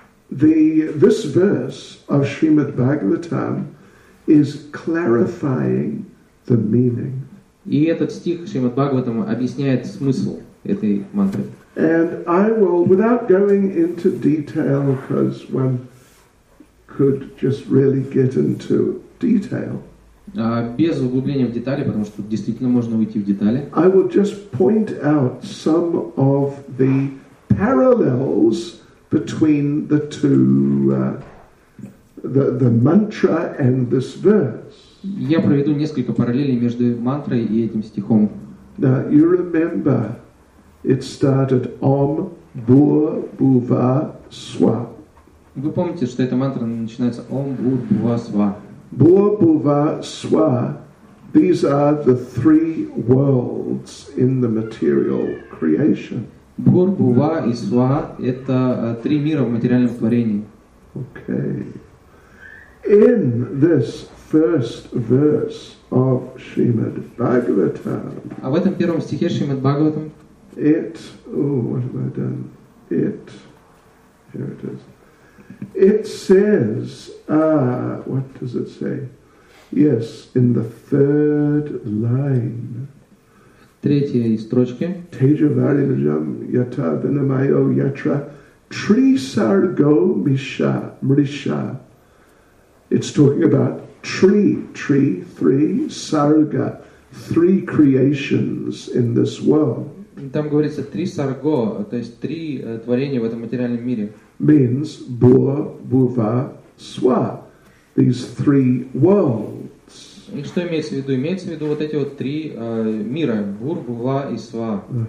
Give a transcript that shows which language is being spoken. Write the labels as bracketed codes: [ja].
[en] This verse of Srimad Bhagavatam is clarifying the meaning. [ru] И этот стих Шримад Бхагаватам объясняет смысл этой мантры. [en] And I will, without going into detail, because one could just really get into detail. [ru] Без углубления в детали, потому что действительно можно уйти в детали. [en] I will just point out some of the parallels between the two, the mantra and this verse. [ru] Я проведу несколько параллелей между мантрой и этим стихом. [en] Now, you remember, it started [sa] Om Bhur Bhuva Sva. [ru] Вы помните, что эта мантра начинается [sa] Om Bhur Bhuva Sva. [en] Bhur Bhuva Sva, these are the three worlds in the material creation. [ru] Бхур, Бхува и Сва – это три мира в материальном творении. [en] Okay. In this first verse of Srimad Bhagavatam. [ru] А в этом первом стихе Шримад Бхагаватам? [en] It. Oh, what have I done? It. Here it is. It says. What does it say? Yes, in the third line. [ru] Третьей строчке. [sa] Тежаварилжам ята винамайо ятра трисарго миша мриша. [en] It's talking about tree, three, sarga, three creations in this world. [ru] Там говорится три сарго, то есть три творения в этом материальном мире. [en] Means bua, buva, swa, these three worlds. [ru] И что имеется в виду? Имеется в виду вот эти вот три мира: бур, бува и сва.